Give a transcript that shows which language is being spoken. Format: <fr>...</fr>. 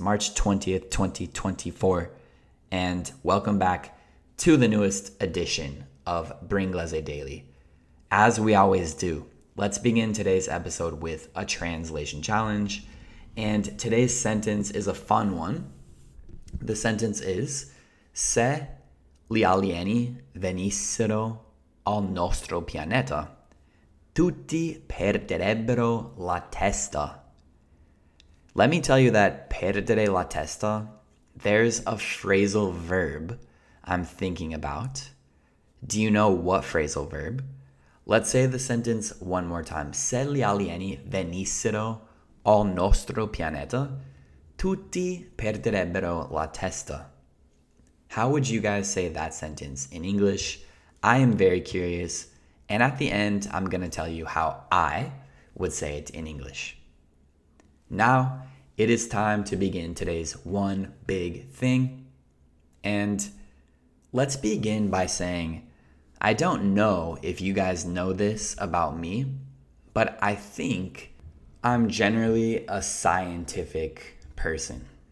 <en>March 20th, 2024. And welcome back to the newest edition of Bringlese Daily. As we always do, let's begin today's episode with a translation challenge. And today's sentence is a fun one. The sentence is,</en> <it>se gli alieni venissero al nostro pianeta, tutti perderebbero la testa.</it> <en>Let me tell you that</en> <it>perdere la testa,</it> <en>there's a phrasal verb I'm thinking about. Do you know what phrasal verb? Let's say the sentence one more time.</en> <it>Se gli alieni venissero al nostro pianeta, tutti perderebbero la testa.</it> <en>How would you guys say that sentence in English? I am very curious. And at the end, I'm going to tell you how I would say it in English. Now, it is time to begin today's one big thing. And let's begin by saying, I don't know if you guys know this about me, but I think I'm generally a scientific person.</en>